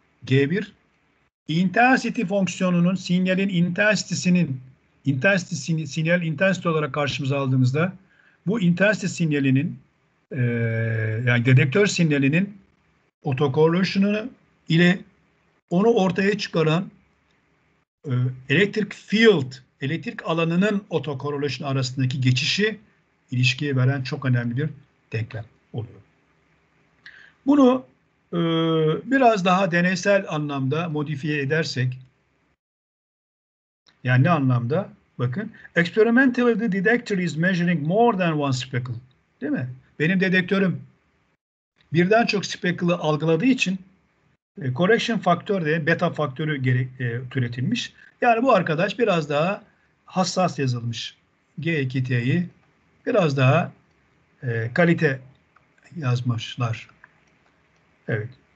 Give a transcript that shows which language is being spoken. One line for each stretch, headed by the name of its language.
Turkish: G1 intensity fonksiyonunun, sinyalin intensitesinin, sinyal intensity olarak karşımıza aldığımızda bu intensity sinyalinin yani dedektör sinyalinin autocorrelation'ını ile onu ortaya çıkaran elektrik alanının autocorrelation arasındaki geçişi ilişkiye veren çok önemli bir denklem oluyor. Bunu biraz daha deneysel anlamda modifiye edersek, yani ne anlamda? Bakın,
English: experimentally the detector is measuring more than one speckle.
Turkish: Değil mi? Benim dedektörüm birden çok speckle'ı algıladığı için correction faktör de beta faktörü türetilmiş. Yani bu arkadaş biraz daha hassas yazılmış. G2T'yi biraz daha kalite yazmışlar. Evet.